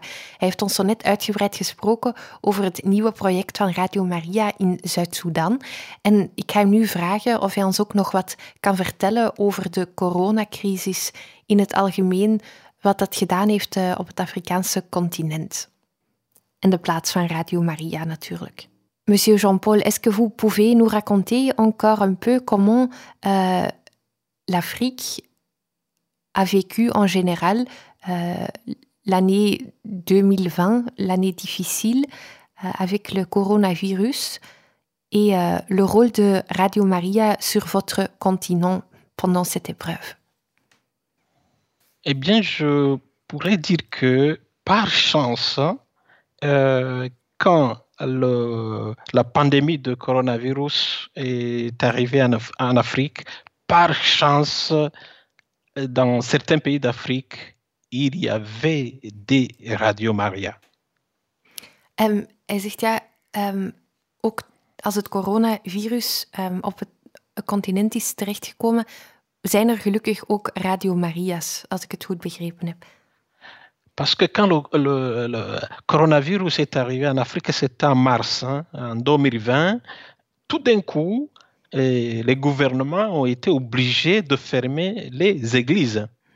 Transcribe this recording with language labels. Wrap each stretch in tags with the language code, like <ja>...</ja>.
<nl>Hij heeft ons zo net uitgebreid gesproken over het nieuwe project van Radio Maria in Zuid-Soedan. En ik ga hem nu vragen of hij ons ook nog wat kan vertellen over de coronacrisis in het algemeen, wat dat gedaan heeft op het Afrikaanse continent. En de plaats van Radio Maria natuurlijk.</nl> <fr>Monsieur Jean-Paul, est-ce que vous pouvez nous raconter encore un peu comment l'Afrique a vécu en général l'année 2020, l'année difficile avec le coronavirus et le rôle de Radio Maria sur votre continent pendant cette épreuve? Eh bien, je pourrais dire que par chance, quand la pandémie de coronavirus est arrivée en Afrique, par chance, dans certains pays d'Afrique, il y avait des Radio Maria.</fr> <nl>Hij zegt ja, ook als het coronavirus op het continent is terechtgekomen, zijn er gelukkig ook Radio Maria's, als ik het goed begrepen heb.</nl> <fr>Parce que quand le coronavirus est arrivé en Afrique, c'était en mars, hein, en 2020, tout d'un coup, les gouvernements ont été obligés de fermer les églises.</fr>